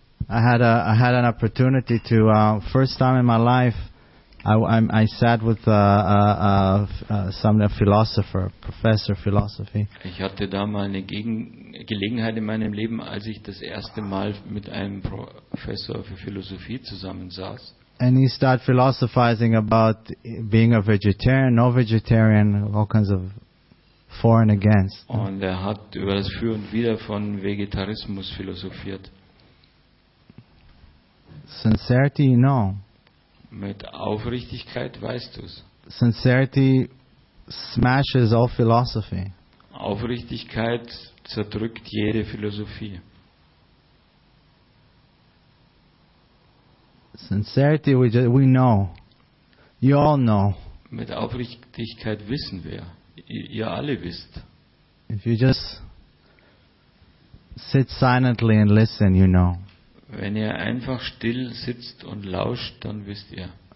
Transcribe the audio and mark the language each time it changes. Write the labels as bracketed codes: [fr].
[en] I had an opportunity to first time in my life I sat with a philosopher, professor of philosophy. [de] Ich hatte da mal eine Gelegenheit in meinem Leben, als ich das erste Mal mit einem Professor für Philosophie zusammensaß. [en] And he started philosophizing about being a vegetarian, no vegetarian, all kinds of for and against. [de] Und er hat über das Für und Wider von Vegetarismus philosophiert. [en] Sincerity, you know. [de] Mit Aufrichtigkeit weißt du es. [en] Sincerity smashes all philosophy. [de] Aufrichtigkeit zerdrückt jede Philosophie. [en] Sincerity, we know. You all know. [de] Mit Aufrichtigkeit wissen wir. Ihr alle wisst. [en] If you just sit silently and listen, you know. [de] Wenn ihr einfach still sitzt und lauscht, dann wisst ihr.